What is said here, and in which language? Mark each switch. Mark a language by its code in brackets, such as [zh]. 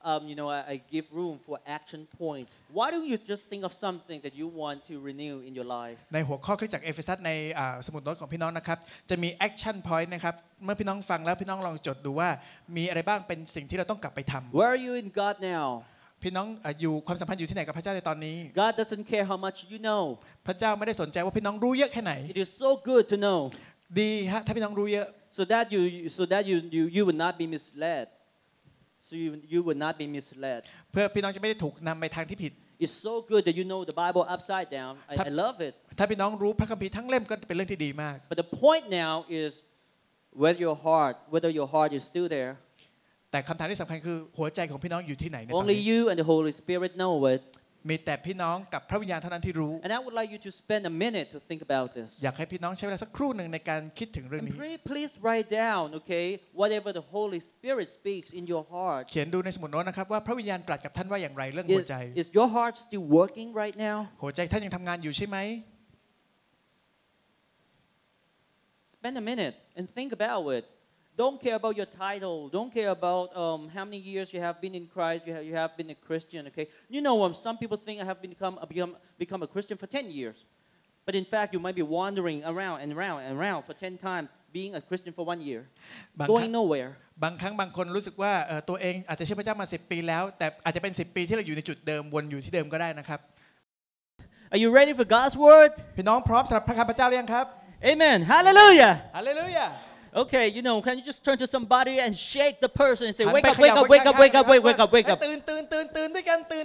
[en] You know, I give room for action points. Why don't you just think of something that you want to renew in your life? [th] ในหัวข้อคริสตจักรเอเฟซัสในสมุดโน้ตของพี่น้องนะครับจะมี [en] action point [th] นะครับเมื่อพี่น้องฟังแล้วพี่น้องลองจดดูว่ามีอะไรบ้างเป็นสิ่งที่เราต้องกลับไปทำ [en] Where are you in God now? พ [th] พี่น้องอยู่ความสัมพันธ์อยู่ที่ไหนกับพระเจ้าในตอนนี้ [en] God doesn't care how much you know [th] พระเจ้าไม่ได้สนใจว่าพี่น้องรู้เยอะแค่ไหน [en] It is so good to know [th] ดีฮะถ้าพี่น้องรู้เยอะ [en] so that you would not be misled so you would not be misled [th] เพื่อพี่น้องจะไม่ได้ถูกนำไปทางที่ผิด [en] It's so good that you know the Bible upside down I love it [th] ถ้าพี่น้องรู้พระคัมภีร์ทั้งเล่มก็เป็นเรื่องที่ดีมาก [en] But the point now isWhether your heart is still there. [th] แต่คำถามที่สำคัญคือหัวใจของพี่น้องอยู่ที่ไหนในตอนนี้ [en] Only you and the Holy Spirit know it. [th] มีแต่พี่น้องกับพระวิญญาณเท่านั้นที่รู้ [en] And I would like you to spend a minute to think about this. [th] อยากให้พี่น้องใช้เวลาสักครู่หนึ่งในการคิดถึงเรื่องนี้ [en] And please write down, okay, whatever the Holy Spirit speaks in your heart. [th] เขียนดูในสมุดโน้ตนะครับว่าพระวิญญาณตรัสกับท่านว่าอย่างไรเรื่องหัวใจ [en] Is your heart still working right now? [th] หัวใจท่านยังทำงานอยู่ใช่ไหม [en] Spend a minute and think about it. Don't care about your title. Don't care about how many years you have been in Christ. You have been a Christian. Okay. You know, some people think I have become a Christian for 10 years, but in fact, you might be wandering around and around and around for 10 times, being a Christian for 1 year, going nowhere. [th] บางครั้งบางคนรู้สึกว่าตัวเองอาจจะเชื่อพระเจ้ามา10ปีแล้วแต่อาจจะเป็น10ปีที่เราอยู่ในจุดเดิมวนอยู่ที่เดิมก็ได้นะครับ [en] Are you ready for God's word? [th] พี่น้องพร้อมสำหรับพระคัมภีร์เจ้าหรือยังครับ [en] Amen. Hallelujah. Hallelujah. Okay, you know, can you just turn to somebody and shake the person and say, wake up, wake up, wake up, wake up, wake up, wake up, wake up.